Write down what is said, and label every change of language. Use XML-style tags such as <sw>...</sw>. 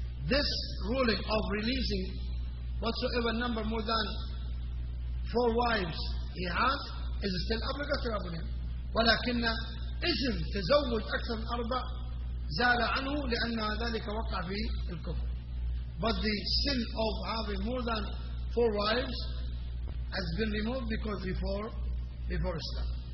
<en>This ruling of releasing whatsoever number more than four wives he has is still obligatory upon him.</en> <ar>ولكن إذن تزوج أكثر من أربع زال عنه لأن ذلك وقع في الكفر.</ar> <en>But the sin of having more than four wives has been removed because before Islam.</en>